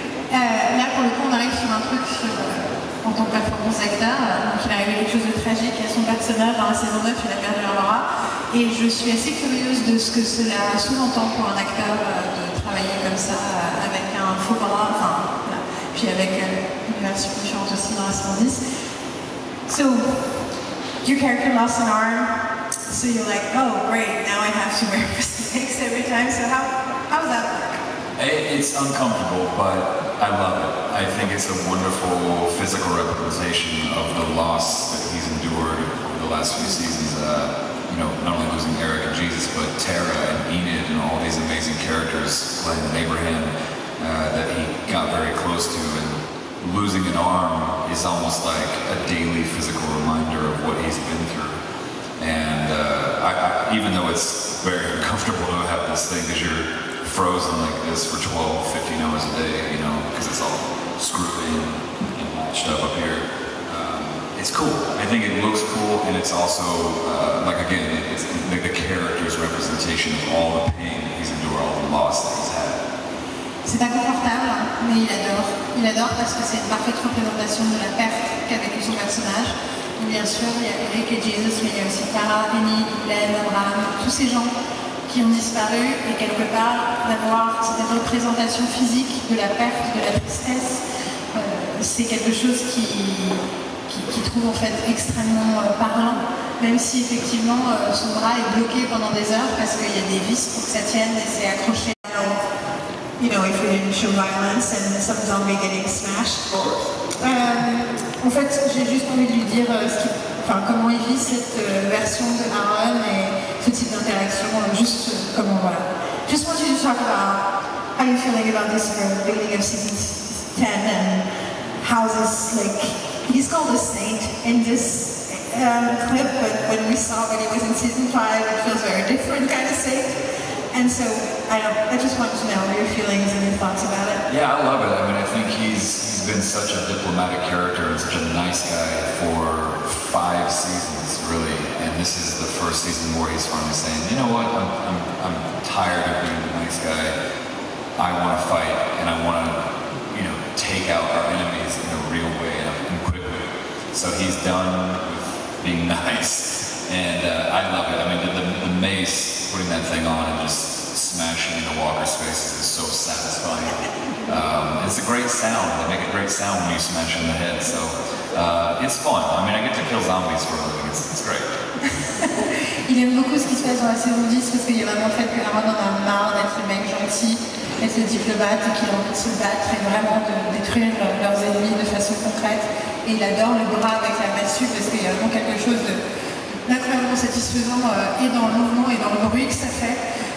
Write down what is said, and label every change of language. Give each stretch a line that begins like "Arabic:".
French: Là pour le coup, on arrive sur un truc en tant que performance acteur. Donc il arrive quelque chose de tragique à son personnage dans la saison 9, il a perdu un bras. Et je suis assez curieuse de ce que cela sous-entend pour un acteur de travailler comme ça avec un faux bras, enfin, puis avec une version différente aussi dans la 110.
English: So, your character lost an arm, so you're like, oh great, now I have to wear prosthetics every time, so how does that work? It's uncomfortable, but I love it. I think it's a wonderful physical representation of the loss that he's endured over the last few seasons. Not only losing Eric and Jesus, but Tara and Enid and all these amazing characters, Glenn and Abraham, that he got very close to. And losing an arm is almost like a daily physical reminder of what he's been through. And even though it's very uncomfortable to have this thing, because you're frozen like this for 12, 15 hours a day, because it's all screwed in and matched up here, it's cool. I think it looks cool, and it's also, like, again, it's like the character's representation of all the pain he's endured, all the loss that he's had.
French: C'est inconfortable, mais il adore. Il adore parce que c'est une parfaite représentation de la perte qu'a vécu son personnage. Et bien sûr, il y a Eric et Jesus, mais il y a aussi Tara, Penny, Glenn, Abraham, tous ces gens qui ont disparu. Et quelque part, d'avoir cette représentation physique de la perte, de la tristesse, c'est quelque chose qui trouve en fait extrêmement parlant. Même si effectivement, son bras est bloqué pendant des heures parce qu'il y a des vis pour que ça tienne et c'est accroché.
English: You know, if we didn't show violence and some zombie getting smashed.
French: En fait, j'ai juste envie de lui dire comment il vit cette version de Aaron et ce type d'interaction, juste comment, voilà.
English: Just want you to talk about how you're feeling about this beginning of season 10 and how this, like, he's called a saint in this clip, but when we saw when he was in season 5, it feels very different kind of saint. And so I just want to know your feelings and your thoughts about it. Yeah, I love it. I mean, I think he's been such a diplomatic character and such a nice guy for 5 seasons, really. And this is the first season where he's finally saying, you know what, I'm tired of being the nice guy. I want to fight and I want to, you know, take out our enemies in a real way and quickly. So he's done with being nice. And I love it. I mean, the mace, putting that thing on and just smashing into Walker's face is so satisfying. It's a great sound. They make a great sound when you smash in the head. So it's fun. I mean, I get to kill zombies for a living. It's great.
French: Il aime beaucoup ce qui se passe dans la saison 10 parce qu'il y a vraiment le fait que Aaron en a marre d'être le mec gentil, d'être le diplomate et qu'il a envie de se battre et vraiment de détruire leurs ennemis de façon concrète. Et il adore le bras avec la massue parce qu'il y a vraiment quelque chose de incroyablement satisfaisant et dans le mouvement et dans le bruit que ça fait.